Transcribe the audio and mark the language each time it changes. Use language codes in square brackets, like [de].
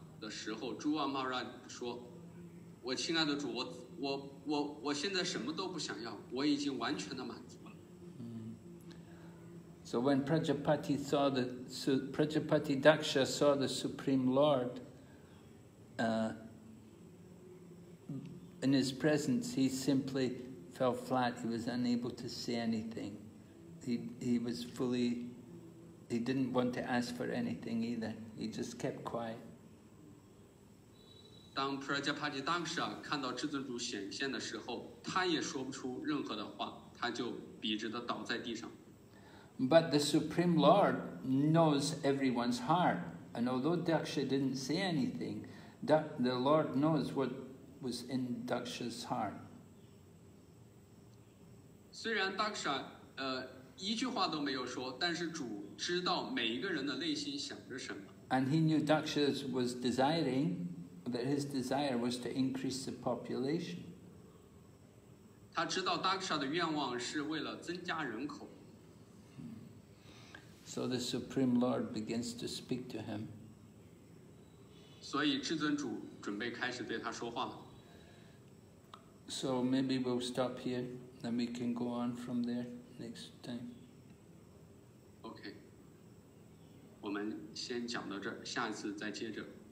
[zh] 的时候，朱瓦玛拉说：“我亲爱的主，我现在什么都不想要，我已经完全的满足了。” [en] So when Prajapati saw the Prajapati Daksha saw the Supreme Lord, in his presence, he simply fell flat. He was unable to say anything. He didn't want to ask for anything either. He just kept quiet. [zh] 当 Prajapati Daksha 看到至尊主显现的时候，他也说不出任何的话，他就笔直地倒在地上。 [en] But the Supreme Lord knows everyone's heart, and although Daksha didn't say anything, the Lord knows what was in Daksha's heart. [zh] 虽然 Daksha 一句话都没有说，但是主知道每一个人的内心想着什么。 [en] And he knew Daksha was desiring. That his desire was to increase the population. [zh] 他知道 Daksha 的愿望是为了增加人口。 [en] So the Supreme Lord begins to speak to him. [zh] 所以至尊主准备开始对他说话了。 [en] So maybe we'll stop here, then we can go on from there next time. Okay. [zh] 我们先讲到这儿，下次再接着。